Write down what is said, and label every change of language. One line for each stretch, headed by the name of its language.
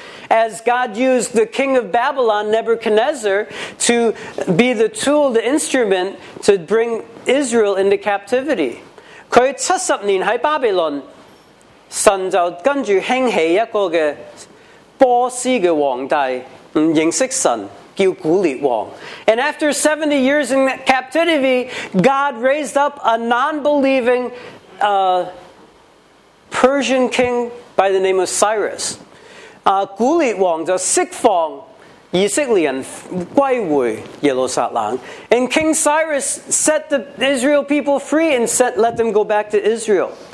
English: As God used the king of Babylon, Nebuchadnezzar, to be the tool, the instrument, to bring Israel into captivity.
Chinese: 他70年在巴比伦，神就跟着兴起一个波斯的皇帝，不认识神，叫古列王。
English: And after 70 years in captivity, God raised up a non-believing Persian king, by the name of Cyrus.
Chinese: 古列王就释放以色列人归回耶路撒冷。
English: And King Cyrus set the Israel people free and let them go back to Israel.